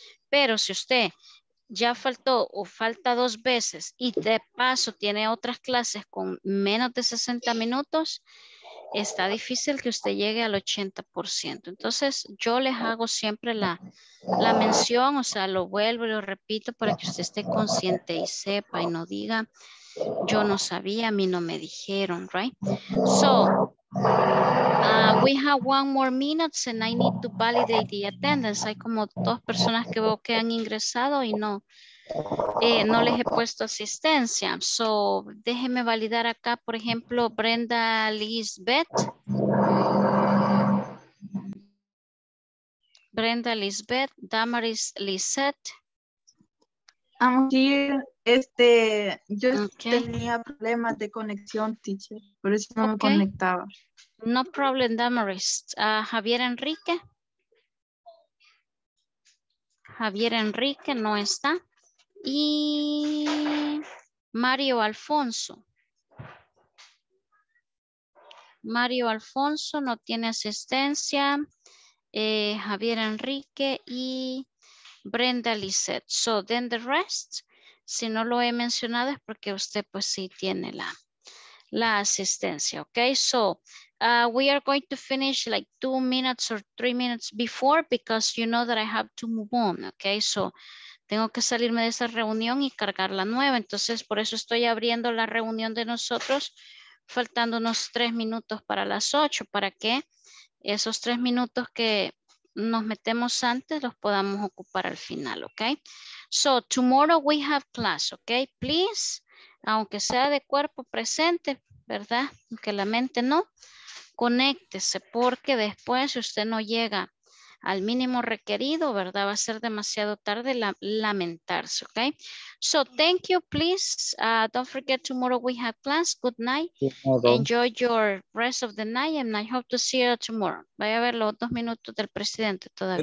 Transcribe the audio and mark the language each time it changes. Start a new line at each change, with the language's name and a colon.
Spanish: Pero si usted ya faltó o falta dos veces y de paso tiene otras clases con menos de 60 minutos, está difícil que usted llegue al 80%. Entonces, yo les hago siempre la mención, o sea, lo vuelvo y lo repito para que usted esté consciente y sepa y no diga, yo no sabía, a mí no me dijeron, right?
English: So, we have 1 more minute and I need to validate the attendance.
Spanish: Hay como dos personas que veo que han ingresado y no, no les he puesto asistencia. So, déjeme validar acá, por ejemplo, Brenda Lisbeth. Brenda Lisbeth, Damaris Lisette.
English: I'm here. Yo okay.
Spanish: Tenía problemas de conexión, teacher, por eso no okay. Me conectaba.
English: No problem, Damaris. Javier Enrique.
Spanish: Javier Enrique no está. Y Mario Alfonso. Mario Alfonso no tiene asistencia. Javier Enrique y Brenda Lisette.
English: So then the rest.
Spanish: Si no lo he mencionado es porque usted pues sí tiene la asistencia, ¿ok?
English: So, we are going to finish like 2 minutes or 3 minutes before because you know that I have to move on, ¿ok?
Spanish: So, tengo que salirme de esa reunión y cargar la nueva. Entonces, por eso estoy abriendo la reunión de nosotros faltando unos 3 minutos para las 8 para que esos 3 minutos que nos metemos antes los podamos ocupar al final, ¿ok?
English: So, tomorrow we have class, okay? Please,
Spanish: aunque sea de cuerpo presente, ¿verdad? Aunque la mente no, conéctese, porque después si usted no llega al mínimo requerido, ¿verdad? Va a ser demasiado tarde lamentarse, okay?
English: So, thank you, please. Don't forget, tomorrow we have class. Good night. Good Enjoy your rest of the night, and I hope to see you tomorrow.
Spanish: Vaya a ver los 2 minutos del presidente todavía.